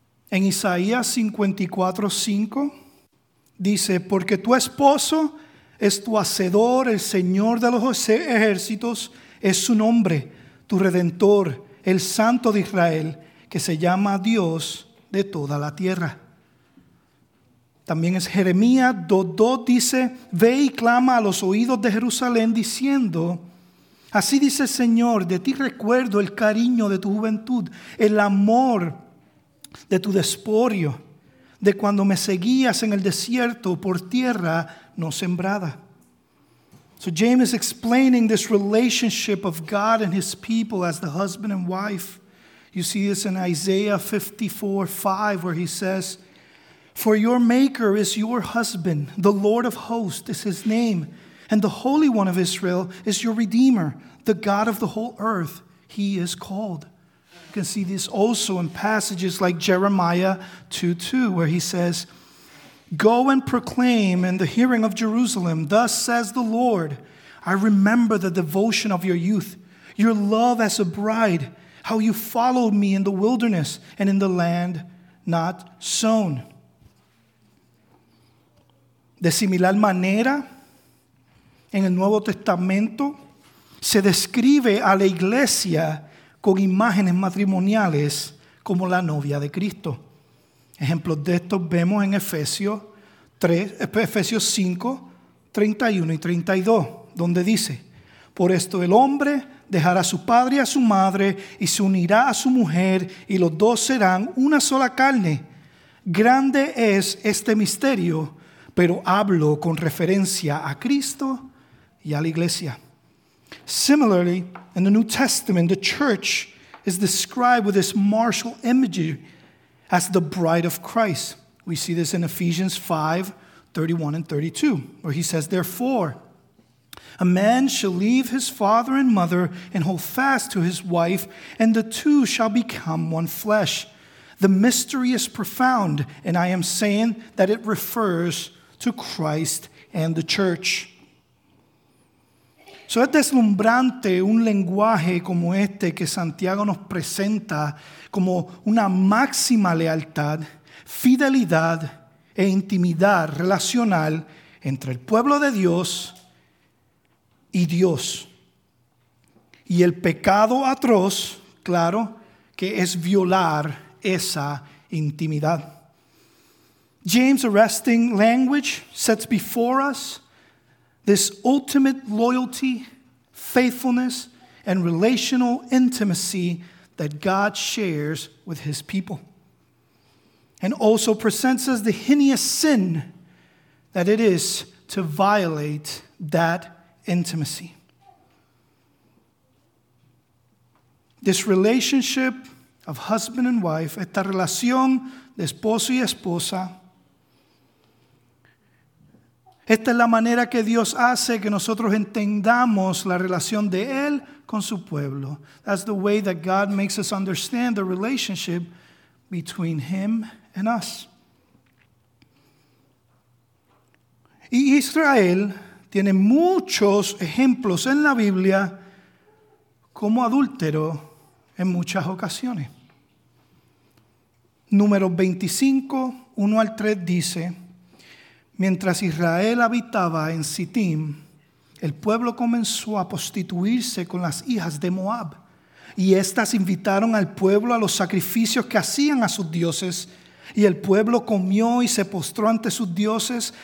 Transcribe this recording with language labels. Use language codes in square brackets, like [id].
[es] En Isaías 54:5 dice, porque tu esposo es tu hacedor, el Señor de los ejércitos es su nombre, tu Redentor, el Santo de Israel, que se llama Dios de toda la tierra. También es Jeremías 2:2 dice, ve y clama a los oídos de Jerusalén diciendo, así dice el Señor, de ti recuerdo el cariño de tu juventud, el amor de tu desposorio, de cuando me seguías en el desierto por tierra no sembrada. [en] So James is explaining this relationship of God and his people as the husband and wife. You see this in Isaiah 54:5, where he says, for your maker is your husband, the Lord of hosts is his name, and the Holy One of Israel is your Redeemer, the God of the whole earth, he is called. You can see this also in passages like Jeremiah 2:2, where he says, go and proclaim in the hearing of Jerusalem, thus says the Lord, I remember the devotion of your youth, your love as a bride, how you followed me in the wilderness and in the land not sown. [es] De similar manera, en el Nuevo Testamento, se describe a la iglesia con imágenes matrimoniales como la novia de Cristo. Ejemplos de esto vemos en Efesios 5, 31 y 32, donde dice, por esto el hombre dejará a su padre y a su madre y se unirá a su mujer y los dos serán una sola carne. Grande es este misterio, pero hablo con referencia a Cristo y a la iglesia. [en] Similarly, in the New Testament, the church is described with this martial imagery as the bride of Christ. We see this in Ephesians 5, 31 and 32, where he says, therefore, a man shall leave his father and mother and hold fast to his wife, and the two shall become one flesh. The mystery is profound, and I am saying that it refers to Christ and the church. [es] So es deslumbrante un lenguaje como este que Santiago nos presenta como una máxima lealtad, fidelidad e intimidad relacional entre el pueblo de Dios y Dios. Y el pecado atroz, claro, que es violar esa intimidad. [en] James' arresting language sets before us this ultimate loyalty, faithfulness, and relational intimacy that God shares with his people. And also presents us the heinous sin that it is to violate that intimacy. This relationship of husband and wife, [es] esta relación de esposo y esposa, esta es la manera que Dios hace que nosotros entendamos la relación de Él con su pueblo. [en] That's the way that God makes us understand the relationship between Him and us. [es] Y Israel tiene muchos ejemplos en la Biblia como adúltero en muchas ocasiones. Número 25, 1 al 3 dice: mientras Israel habitaba en Sittim, el pueblo comenzó a prostituirse con las hijas de Moab, y éstas invitaron al pueblo a los sacrificios que hacían a sus dioses, y el pueblo comió y se postró ante sus dioses.